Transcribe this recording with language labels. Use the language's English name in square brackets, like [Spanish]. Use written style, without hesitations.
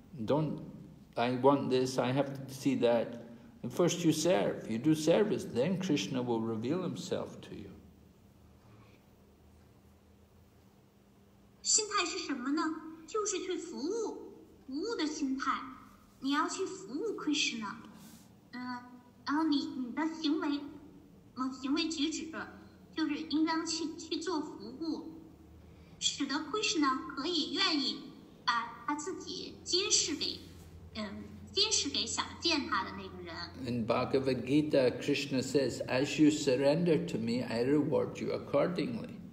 [English] Don't, I want this, I have to see that. And first you serve, you do service, then Krishna will reveal himself to you. [Chinese] 心态是什么呢？就是去服务，服务的心态。你要去服务 Krishna， 然后你的行为举止，就是应当去做服务，使得 Krishna 可以愿意把他自己揭示给想见他的那个人。 [English] In Bhagavad Gita, Krishna says, "As you surrender to me, I reward you accordingly."